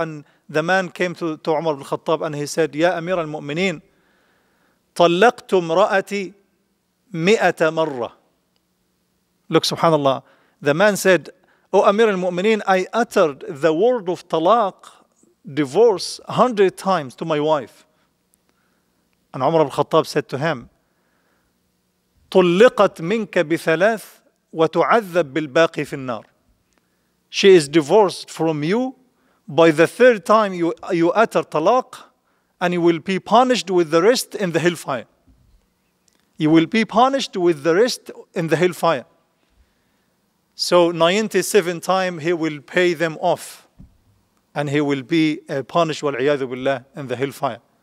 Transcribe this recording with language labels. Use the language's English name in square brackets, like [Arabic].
[English] And the man came to Umar ibn Khattab and he said, Ya Amir al-Mu'mineen, [Arabic] طلقتم رأتي مئة مرة. [English] Look, subhanAllah. The man said, O Amir al-Mu'mineen, I uttered the word of talaq, divorce, 100 times to my wife. And Umar ibn Khattab said to him, [Arabic] طلقت منك بثلاث وتعذب بالباقي في النار. [English] She is divorced from you. By the third time you utter talaq, and you will be punished with the rest in the hellfire. You will be punished with the rest in the hellfire. So 97 times he will pay them off, and he will be punished, wal'iyadu billah, in the hellfire.